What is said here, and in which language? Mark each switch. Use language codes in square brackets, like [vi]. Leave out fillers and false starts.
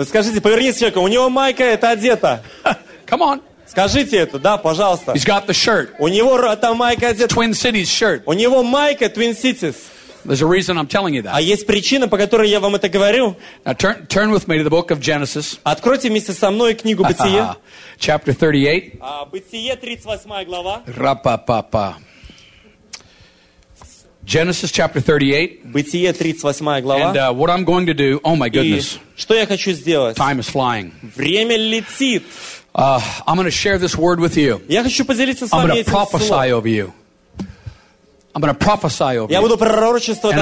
[ru] Скажите, повернись человеку, у него майка, это одета. [en] Come on. [ru] Скажите это, да, пожалуйста. [en] He's got the shirt. [ru] У него там майка одета. [en] Twin Cities shirt. [ru] У него майка Twin Cities. [en] There's a reason I'm telling you that. [ru] А есть причина, по которой я вам это говорю. [en] Now turn with me to the book of Genesis. [ru] Откройте вместе со мной книгу Бытие. [en] Chapter 38. [ru] Бытие, 38 глава. Ра-па-па-па. [en] Genesis chapter 38. [ru] Бытие, 38 глава. [en] And what I'm going to do, oh my goodness. [ru] И что я хочу сделать? [en] Time is flying. [ru] Время летит. [en] I'm going to share this word with you. [ru] Я хочу поделиться с вами этим словом. [en] I'm going to prophesy over you. I'm going to prophesy over you. [ru] Я буду пророчествовать